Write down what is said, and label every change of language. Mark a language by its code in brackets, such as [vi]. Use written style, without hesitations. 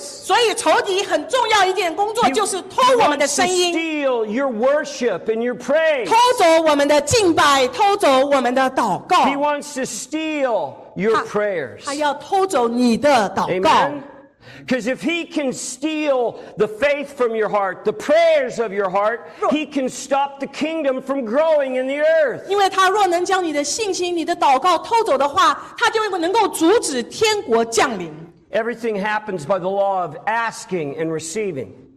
[zh] 所以仇敌很重要一件工作就是偷我们的声音。 [en] He wants to steal your worship and your praise. [zh] 偷走我们的敬拜，偷走我们的祷告。 [en] He wants to steal your prayers. [zh] 他要偷走你的祷告。 [en] Because if he can steal the faith from your heart, the prayers of your heart, he can stop the kingdom from growing in the earth. [zh] 因为他若能将你的信心、你的祷告偷走的话, 他就能够阻止天国降临。 [en] Everything happens by the law of asking and receiving.